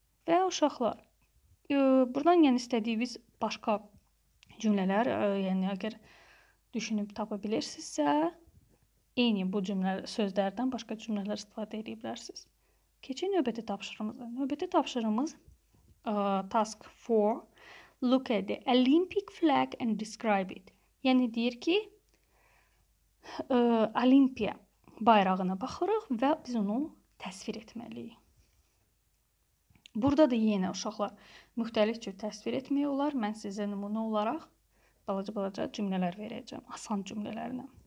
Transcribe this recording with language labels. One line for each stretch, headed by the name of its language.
Azerbaijani: Və uşaqlar, buradan yəni istədiyiniz başqa cümlələr, yəni əgər düşünüb tapa bilirsinizsə, eyni bu cümlə sözlərdən başqa cümlələr istifadə edə bilərsiniz. Keçin növbəti tapşırığımıza. Növbəti tapşırığımız task 4.
English: Look at the Olympic flag and describe it.
Azerbaijani: Yəni deyir ki, olimpiya bayrağına baxırıq və biz onu təsvir etməliyik. Burada da yenə uşaqlar müxtəlif cür təsvir etmək olar. Mən sizə nümunə olaraq balaca-balaca cümlələr verəcəm, asan cümlələrlə.